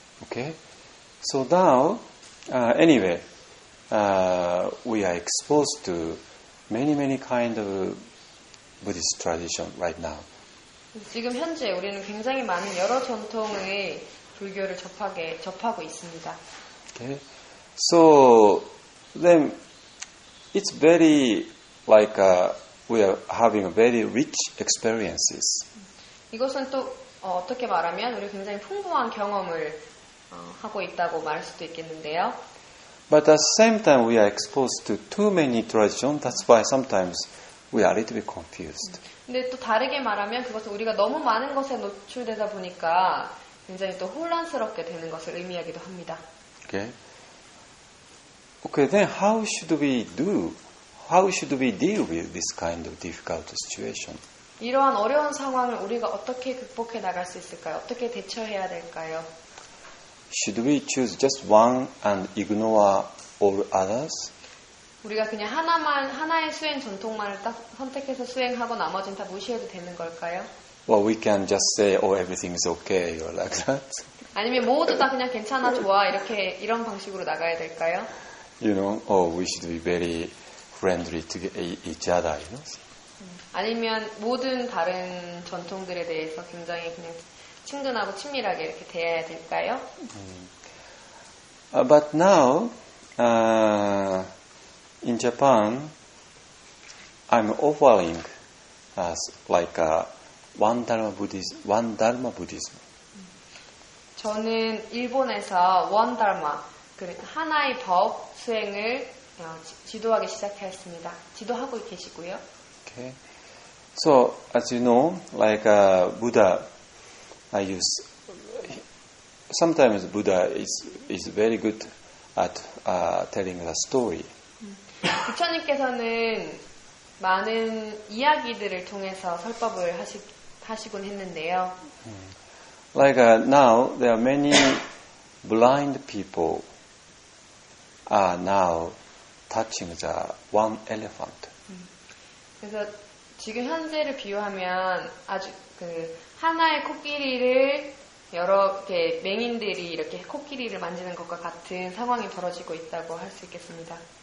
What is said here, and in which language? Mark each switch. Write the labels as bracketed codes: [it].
[en] Okay. So now, we are exposed to many kind of Buddhist tradition right now. [ko] 지금 현재 우리는 굉장히 많은 여러 전통의 불교를 접하고 있습니다. [en] Okay. So then it's very like we are having very rich experiences. [ko] 이것은 또 어떻게 말하면 우리 굉장히 풍부한 경험을 하고 있다고 말할 수도 있겠는데요. [en] But at the same time, we are exposed to too many traditions. That's why sometimes we are a little bit confused. [ko] 근데 또 다르게 말하면 그것은 우리가 너무 많은 것에 노출되다 보니까 굉장히 또 혼란스럽게 되는 것을 의미하기도 합니다. [en] Okay. Okay, then how should we do? How should we deal with this kind of difficult situation? [ko] 이러한 어려운 상황을 우리가 어떻게 극복해 나갈 수 있을까요? 어떻게 대처해야 될까요? [en] Should we choose just one and ignore all others? [ko] 우리가 그냥 하나만 하나의 수행 전통만을 딱 선택해서 수행하고 나머지는 다 무시해도 되는 걸까요? [en] Well, we can just say, "Oh, everything is okay," or like that. [ko] 아니면 모두 다 그냥 괜찮아 좋아 이렇게 이런 방식으로 나가야 될까요? [en] You know, oh, we should be very friendly to each other. You know? [ko] 아니면 모든 다른 전통들에 대해서 굉장히 그냥 친근하고 친밀하게 이렇게 대해야 될까요? [en] But now, in Japan, I'm offering as like a one dharma Buddhism. [ko] 저는 일본에서 원 달마 하나의 법 수행을 지도하기 시작했습니다. 지도하고 계시고요. [en] Okay. So as you know, like Buddha, I use sometimes Buddha is very good at telling the story. [ko] 부처님께서는 많은 이야기들을 통해서 설법을 하시곤 했는데요. [en] Like now there are many blind people are now touching the one elephant. [ko] 그래서 지금 현재를 비유하면 아주 그 하나의 코끼리를 여러 개 맹인들이 이렇게 코끼리를 만지는 것과 같은 상황이 벌어지고 있다고 할 수 있겠습니다.